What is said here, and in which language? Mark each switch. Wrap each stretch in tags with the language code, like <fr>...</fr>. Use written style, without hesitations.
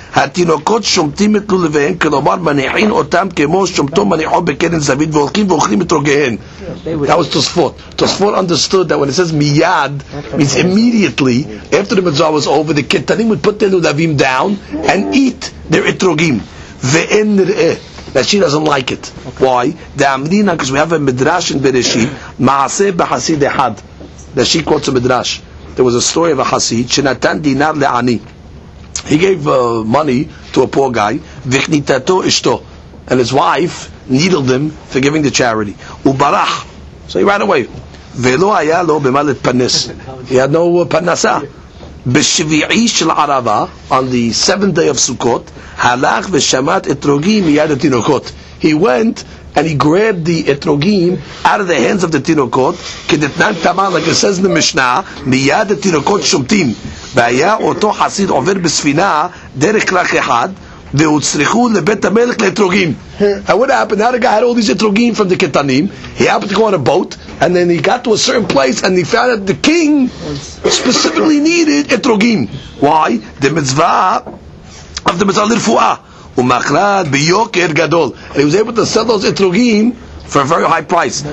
<he>התינוקות שומטים את לולביהם, כלומר מניחים אותם כמו שומטו מניחו בקרן זווית והולכים ואוכלים את רוגיהם.</he> <en>That was Tosfot. Tosfot understood that when it says מיד, means immediately, after the mitzvah was over, the ketanim would put their לולבים down and eat their אתרוגים.</en> <he>ואין נראה.</he> <en>That she doesn't like it. Why? דאמרינא, because we have a midrash in Bereshit,</en> <he>מעשה בחסיד אחד.</he> <en>That she quotes a midrash. There was a story of a חסיד,</en> <he>שנתן דינר לעני.</he> <en>He gave money to a poor guy,</en> <he>v'chnitato ishto,</he> <en>and his wife needled him for giving the charity.</en> <he>Ubarach,</he> <en>so he ran away.</en> <he>Ve'lo haya lo b'malet panis.</he> <en>He had no panasa.</en> <he>B'shivi'i shel arava,</he> <en>on the 7th day of Sukkot,</en> <he>halach v'shamat etrogim miyad etinokot.</he> <en>He went and he grabbed the etrogim out of the hands of the tinokot,</en> <he>k'detnan tamar,</he> <en>like it says in the Mishnah,</en> <he>miyad etinokot shumtim. והיה אותו חסיד עובר בספינה דרך כרך אחד והוצריכו לבית המלך לאתרוגים.</he> <en>And what happened? Now the guy had all these אתרוגים from the ketanim. He happened to go on a boat and then he got to a certain place and he found that the king specifically needed אתרוגים. Why? The mitzvah of the mitzvah לרפואה.</en> <he>ומחרד ביוקר גדול.</he> <en>And he was able to sell those אתרוגים for a very high price.</en>